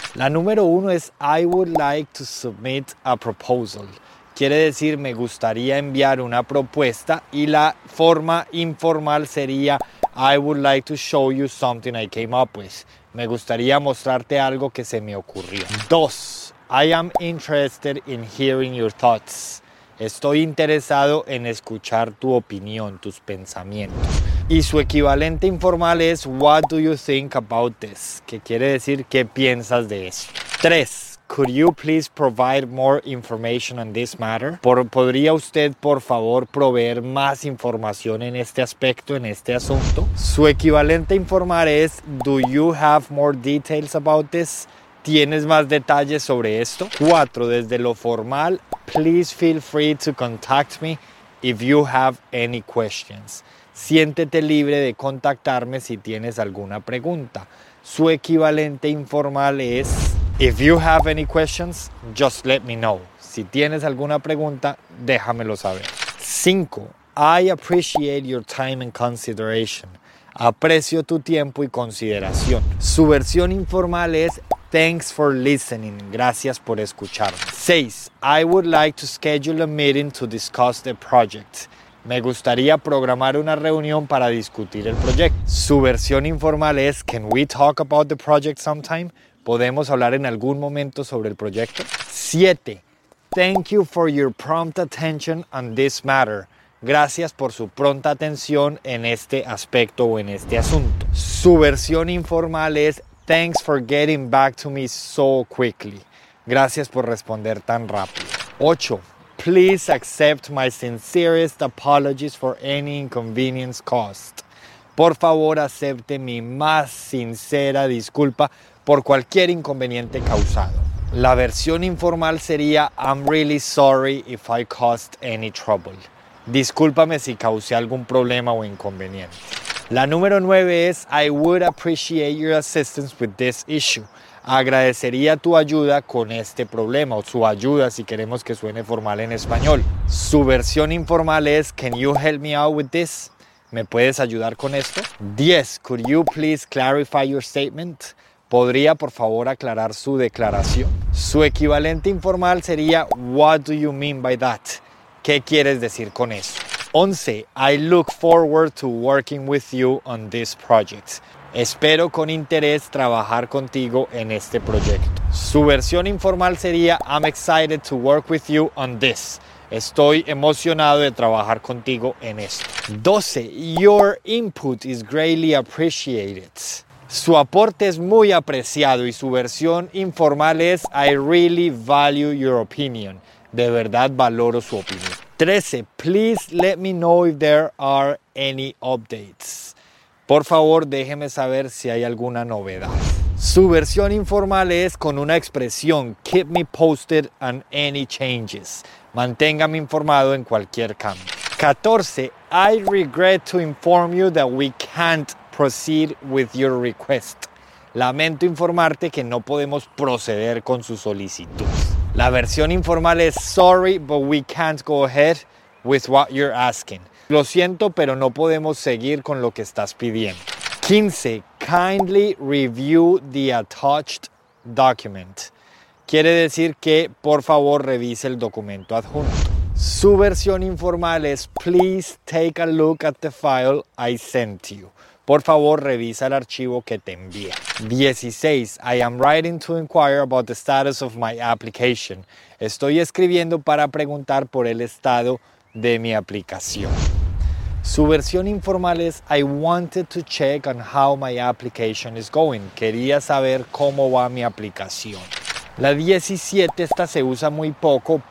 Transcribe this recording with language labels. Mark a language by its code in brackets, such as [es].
[es] La número uno es [en] I would like to submit a proposal. [es] Quiere decir me gustaría enviar una propuesta y la forma informal sería [en] I would like to show you something I came up [es] with. Me gustaría mostrarte algo que se me ocurrió. [en] Dos, I am interested in hearing your thoughts. [es] Estoy interesado en escuchar tu opinión, tus pensamientos. Y su equivalente informal es [en] What do you think about this? [es] Que quiere decir, ¿qué piensas de esto? 3. [en] Could you please provide more information on this matter? [es] ¿Podría usted, por favor, proveer más información en este aspecto, en este asunto? Su equivalente informal es [en] Do you have more details about this? [es] ¿Tienes más detalles sobre esto? 4. Desde lo formal, [en] please feel free to contact me if you have any questions. [es] Siéntete libre de contactarme si tienes alguna pregunta. Su equivalente informal es [en] If you have any questions, just let me know. [es] Si tienes alguna pregunta, déjamelo saber. 5. [en] I appreciate your time and consideration. [es] Aprecio tu tiempo y consideración. Su versión informal es [en] Thanks for listening. [es] Gracias por escucharme. 6. [en] I would like to schedule a meeting to discuss the project. [es] Me gustaría programar una reunión para discutir el proyecto. Su versión informal es [en] Can we talk about the project sometime? [es] ¿Podemos hablar en algún momento sobre el proyecto? 7. [en] Thank you for your prompt attention on this matter. [es] Gracias por su pronta atención en este aspecto o en este asunto. Su versión informal es [en] Thanks for getting back to me so quickly. [es] Gracias por responder tan rápido. [en] 8. Please accept my sincerest apologies for any inconvenience caused. [es] Por favor, acepte mi más sincera disculpa por cualquier inconveniente causado. La versión informal sería [en] I'm really sorry if I caused any trouble. [es] Discúlpame si causé algún problema o inconveniente. La número 9 es [en] I would appreciate your assistance with this issue. [es] Agradecería tu ayuda con este problema o su ayuda si queremos que suene formal en español. Su versión informal es [en] Can you help me out with this? [es] ¿Me puedes ayudar con esto? [en] 10. Could you please clarify your statement? [es] ¿Podría por favor aclarar su declaración? Su equivalente informal sería [en] What do you mean by that? [es] ¿Qué quieres decir con eso? 11. [en] I look forward to working with you on this project. [es] Espero con interés trabajar contigo en este proyecto. Su versión informal sería [en] I'm excited to work with you on this. [es] Estoy emocionado de trabajar contigo en esto. 12. [en] Your input is greatly appreciated. [es] Su aporte es muy apreciado y su versión informal es [en] I really value your opinion. [es] De verdad valoro su opinión. 13. [en] Please let me know if there are any updates. [es] Por favor, déjeme saber si hay alguna novedad. Su versión informal es con una expresión [en] Keep me posted on any changes. [es] Manténgame informado en cualquier cambio. 14. [en] I regret to inform you that we can't proceed with your request. [es] Lamento informarte que no podemos proceder con su solicitud. La versión informal es [en] Sorry, but we can't go ahead with what you're asking. [es] Lo siento, pero no podemos seguir con lo que estás pidiendo. 15. [en] Kindly review the attached document. [es] Quiere decir que, por favor, revise el documento adjunto. Su versión informal es [en] Please take a look at the file I sent you. [es] Por favor, revisa el archivo que te envié. 16. [en] I am writing to inquire about the status of my application. [es] Estoy escribiendo para preguntar por el estado de mi aplicación. Su versión informal es [en] I wanted to check on how my application is going. [es] Quería saber cómo va mi aplicación. La 17, esta se usa muy poco.